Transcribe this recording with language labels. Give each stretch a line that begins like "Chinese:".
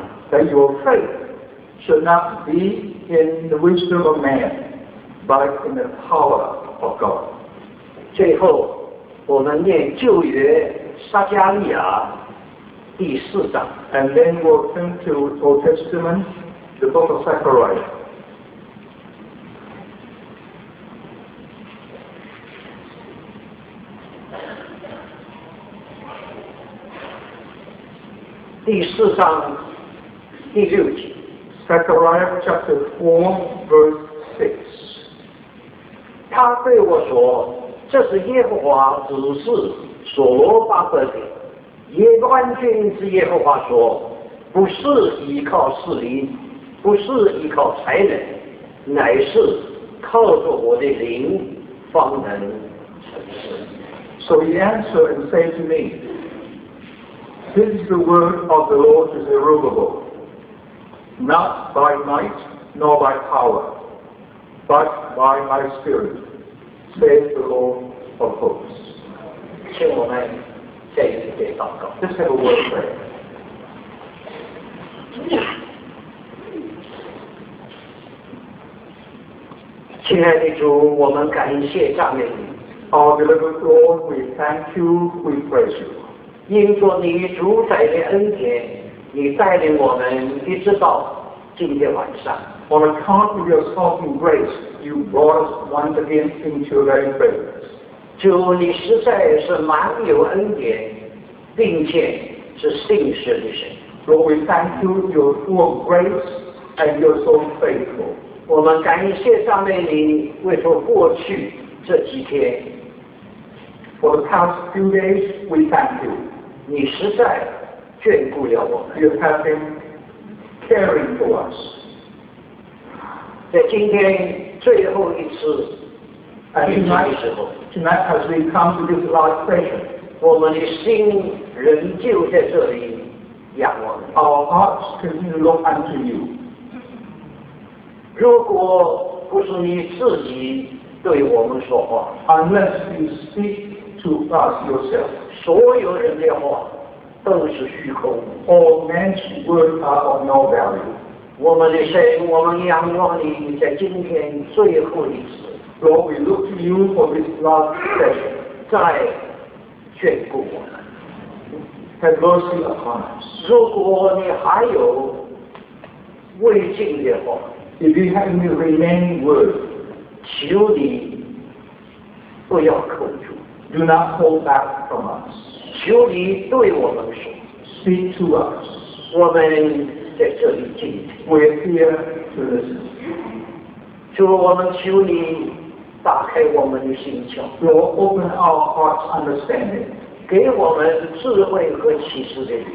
English: That your faith should not be in the wisdom of man, but in the power of God.
Chinese: 最后，我们念旧约撒迦利亚第四章。
English: And then we'll turn to Old Testament, the book of Zechariah.
Chinese: 第四章第六节
English: Zechariah chapter 4 verse 6
Chinese: 他对我说这是耶和华指示所罗巴伯的耶万军之耶和华说不是依靠势力不是依靠才能乃是靠着我的灵方能成事
English: So he answered and said to meThis is the word of the Lord to Zerubbabel, not by might nor by power, but by my spirit, says the Lord of hosts.
Chinese: 请我们再一次祷告。
English: Let's have a word of prayer.
Chinese: 亲爱的主，我们感谢赞美你。
English: Our beloved Lord, we thank you, we praise you.
Chinese: 因着你主宰的恩典，你带领我们一直到今天晚上。
English: On account of your sovereign grace, you brought us once again into your very presence.
Chinese: 主，你实在是满有恩典，并且是信实的神。
English: Lord, we thank you, you're full of grace and you're so faithful.
Chinese: 我们感谢上面你为说过去这几天。
English: For the past few days, we thank you.
Chinese: 你实在眷顾了我们。
English: You have been caring for us.
Chinese: 在今天最后一次聚集的时候
English: tonight, as we come to this last session,
Chinese: 我们的心仍旧在这里。
English: Our hearts continue to look unto you.
Chinese: 如果不是你自己对我们说话
English: unless you speak to us yourself,
Chinese: 所有人的话都是虚空
English: all men's words are of no value.
Chinese: 我们的神，我们仰望你在今天最后一次
English: Lord, we look to you for this last session.
Chinese: 再眷顾我们
English: Have mercy upon us.
Chinese: 如果你还有未尽的话
English: If you have any remaining word,
Chinese: 求你不要扣住
English: Do not hold back from us.
Chinese: 求你对我们说
English: Speak to us.
Chinese: 我们在这里静听
English: We are here to listen.
Chinese: 主，我们求你打开我们的心窍
English: Lord, open our hearts' understanding.
Chinese: 给我们智慧和启示的灵